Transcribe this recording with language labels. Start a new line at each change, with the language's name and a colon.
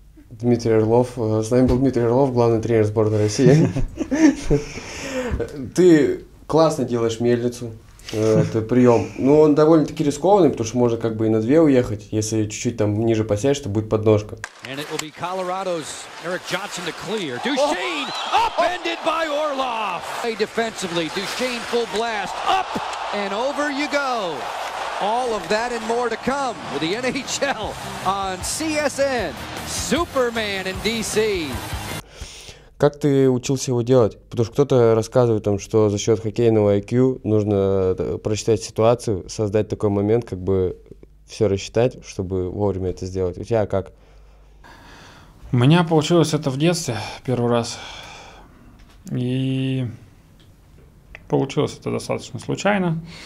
Russian: Дмитрий Орлов. С нами был Дмитрий Орлов, главный тренер сборной России. Ты классно делаешь мельницу, это прием. Но он довольно-таки рискованный, потому что можно как бы и на две уехать. Если чуть-чуть там ниже посядешь, то будет подножка.
English: And it will be Colorado's Eric Johnson to clear. Duchesne, upended by Orlov. Play defensively, Duchesne full blast. Up and over you go. All of that and more to come with the NHL on CSN. Superman in DC.
Russian: Как ты учился его делать? Потому что кто-то рассказывает, там, что за счет хоккейного IQ нужно просчитать ситуацию, создать такой момент, как бы все рассчитать, чтобы вовремя это сделать. У тебя как? У меня получилось это в детстве первый раз. И получилось это достаточно случайно.